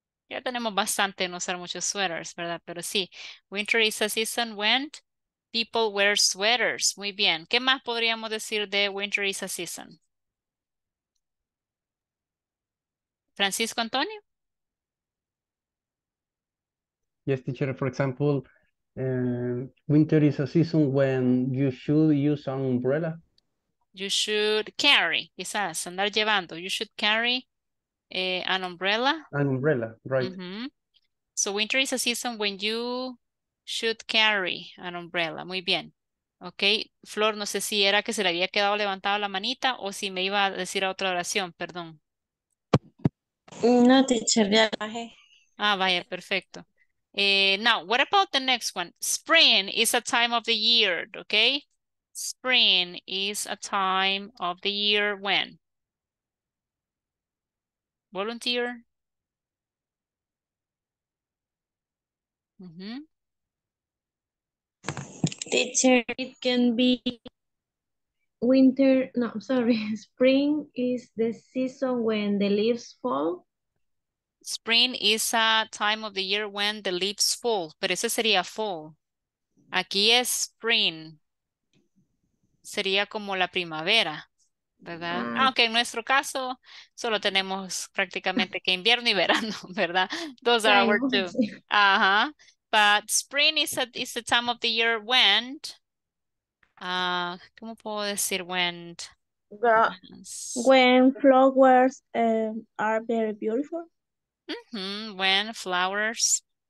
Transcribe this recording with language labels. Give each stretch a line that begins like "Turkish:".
Spanish: Ya tenemos bastante en usar muchos sweaters, ¿verdad? Pero sí,
English: winter is a season when people wear sweaters.
Spanish: Muy bien. ¿Qué más podríamos decir de
English: winter is a season?
Spanish: Francisco Antonio.
English: Yes, teacher, for example, winter is a season when you should use an umbrella. You should carry,
Spanish: quizás, andar llevando.
English: You should carry an umbrella. An umbrella, right. Mm-hmm. So winter is a season when you should carry an umbrella.
Spanish: Muy bien. Okay. Flor, no sé si era que se le había quedado levantada la manita o si me iba a decir a otra oración, perdón. No, teacher, ya bajé. Ah, vaya, perfecto.
English: Now, what about the next one? Spring is a time of the year, okay? Spring is a time of the year when? Volunteer. Mm-hmm. Teacher, it can be winter. No, sorry. Spring is the season when the leaves fall. Spring is a time of the year when the leaves fall.
Spanish: Pero ese sería fall. Aquí es spring. Sería como la primavera, ¿verdad? Mm. Aunque en nuestro caso solo tenemos prácticamente que invierno y verano, ¿verdad?
English: Those are our two. Uh-huh. But spring is the time of the year when...
Spanish: ¿cómo puedo decir when?
English: When flowers are very beautiful. Mm-hmm. When flowers...